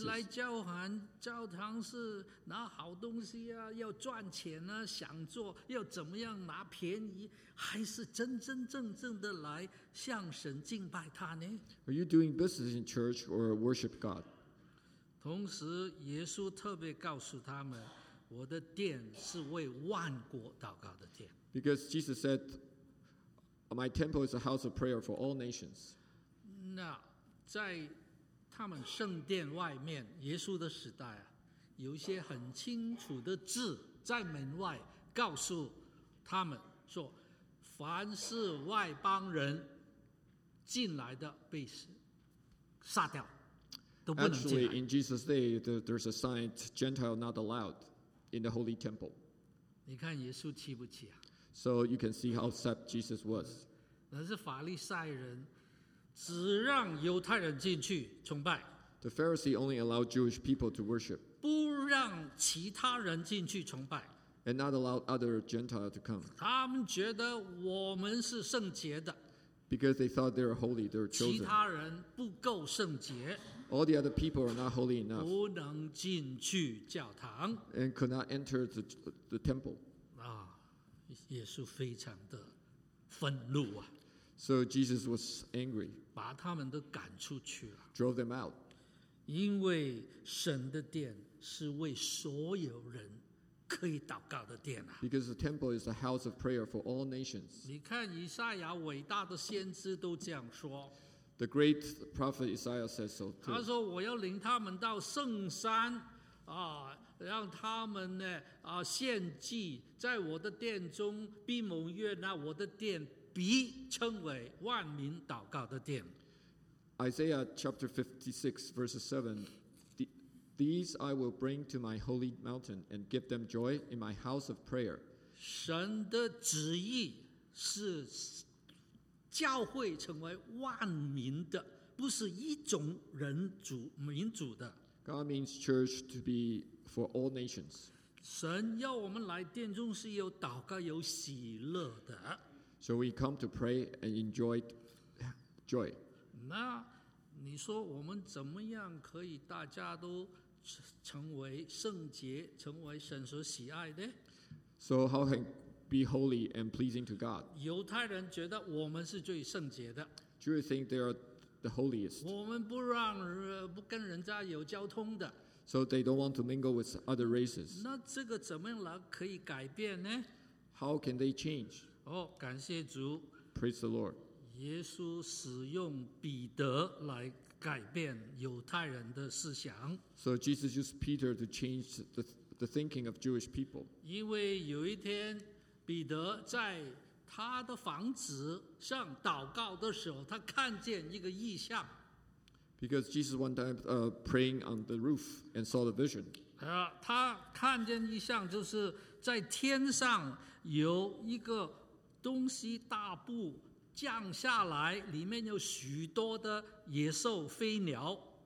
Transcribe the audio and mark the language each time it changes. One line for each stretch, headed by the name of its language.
Chinese: 你来教堂是拿好东西啊，要赚钱啊，想做，要怎么样拿便宜，还是真真正正的来向神敬拜他呢？
English: Are you doing business in church or worship God?
Chinese: 同时，耶稣特别告诉他们。我的殿是为万国祷告的殿。
English: Because Jesus said, "My temple is a house of prayer for all nations."
Chinese: 那在他们圣殿外面，耶稣的时代啊，有一些很清楚的字在门外告诉他们说，凡是外邦人进来的被杀掉，都不能进来。
English: Actually, in Jesus' day, there's a sign, "Gentile not allowed." In the holy temple.
Chinese: 你看耶稣气不气啊?
English: So you can see how upset Jesus was.
Chinese: 那是法利赛人，只让犹太人进去崇拜。
English: The Pharisee only allowed Jewish people to worship.
Chinese: 不让其他人进去崇拜。
English: And not allowed other Gentiles to come.
Chinese: 他们觉得我们是圣洁的。
English: Because they thought they were holy, they were chosen.
Chinese: 其他人不够圣洁。
English: All the other people are not holy enough.
Chinese: 不能进去教堂。
English: And could not enter the temple.
Chinese: 啊，耶稣非常的愤怒啊。
English: So Jesus was angry.
Chinese: 把他们都赶出去了。
English: Drove them out.
Chinese: 因为神的殿是为所有人可以祷告的殿啊。
English: Because the temple is the house of prayer for all nations.
Chinese: 你看以赛亚伟大的先知都这样说。
English: The great prophet Isaiah says so too.
Chinese: 他说我要领他们到圣山啊，让他们呢啊献祭，在我的殿中必蒙悦纳，我的殿必称为万民祷告的殿。
English: Isaiah chapter 56 verses 7, these I will bring to my holy mountain and give them joy in my house of prayer.
Chinese: 神的旨意是教会成为万民的，不是一种人族民族的。
English: God means church to be for all nations.
Chinese: 神要我们来殿中是有祷告有喜乐的。
English: So we come to pray and enjoy joy.
Chinese: 那你说我们怎么样可以大家都成为圣洁，成为神所喜爱的？
English: So how can be holy and pleasing to God?
Chinese: 犹太人觉得我们是最圣洁的。
English: Do you think they are the holiest?
Chinese: 我们不让不跟人家有交通的。
English: So they don't want to mingle with other races.
Chinese: 那这个怎么样可以改变呢？
English: How can they change?
Chinese: 哦，感谢主。
English: Praise the Lord.
Chinese: 耶稣使用彼得来改变犹太人的思想。
English: So Jesus used Peter to change the thinking of Jewish people.
Chinese: 因为有一天彼得在他的房子上祷告的时候，他看见一个异象。
English: Because Jesus one time praying on the roof and saw the vision.
Chinese: 他看见异象，就是在天上有一个东西大步降下来，里面有许多的野兽飞鸟。